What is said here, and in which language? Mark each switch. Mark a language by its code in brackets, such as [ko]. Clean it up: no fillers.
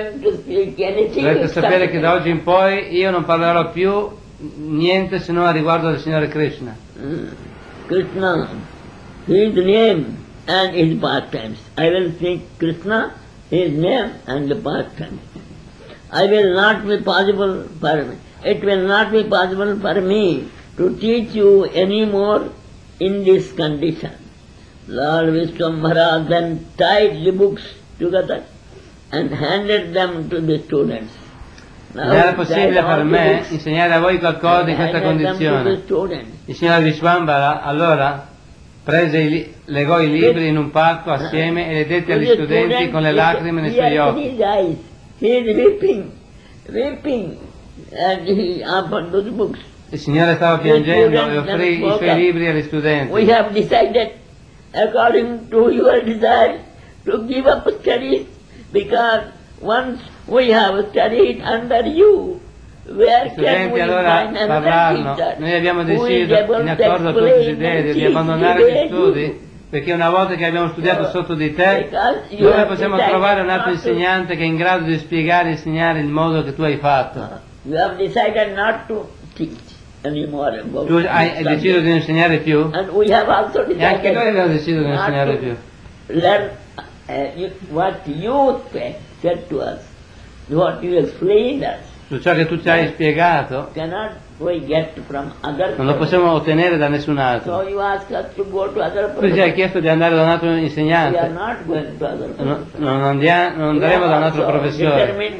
[it] Dovete sapere che da oggi in poi io non parlerò più niente se non a riguardo del Signore Krishna. [en] Krishna, his name and his pastimes. I will speak Krishna, his name and the pastimes. I will not be possible for me. It will not be possible for me to teach you any more in this condition. Lord Vishwambhara then tied the books together and handed them to the students. [it] Non era possibile per me insegnare a voi qualcosa in questa condizione. Il signor Vishwambhara allora legò i libri in un pacco assieme e le dette agli studenti con le lacrime nei suoi occhi. [en] He is weeping, and he opened those books. [it] Il Signore stava piangendo e offrì i suoi libri agli studenti. [en] We have decided, according to your desire, to give up studies, because once we have studied under you, where can we find another teacher? [it] Noi abbiamo deciso, in accordo con il tuo desiderio, di abbandonare gli studi, perché una volta che abbiamo studiato sotto di te, dove possiamo trovare un altro insegnante che è in grado di spiegare e insegnare il modo che tu hai fatto? [en] You have decided not to teach anymore. [it] Tu hai deciso di non insegnare più? [en] And we have also decided, [it] e anche noi abbiamo deciso di non insegnare più. [en] Learn what you said to us, what you explained us. [it] Su ciò che tu ci hai spiegato non lo possiamo ottenere da nessun altro. Tu ci hai chiesto di andare da un altro insegnante. Non andremo da un altro professore.